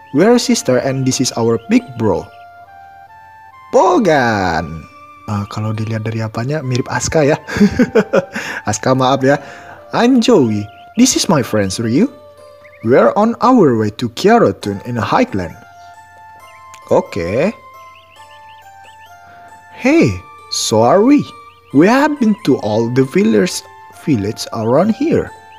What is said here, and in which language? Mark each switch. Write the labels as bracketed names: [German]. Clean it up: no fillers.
[English] We are sister and this is our big bro. Bogan. [Indonesian] Kalau dilihat dari apanya mirip Aska ya. Aska maaf ya. [English] I'm Joey. This is my friend Ryu. We are on our way to Kyarotun in Highland. Oke. Hey, so are we. We have been to all the village around here.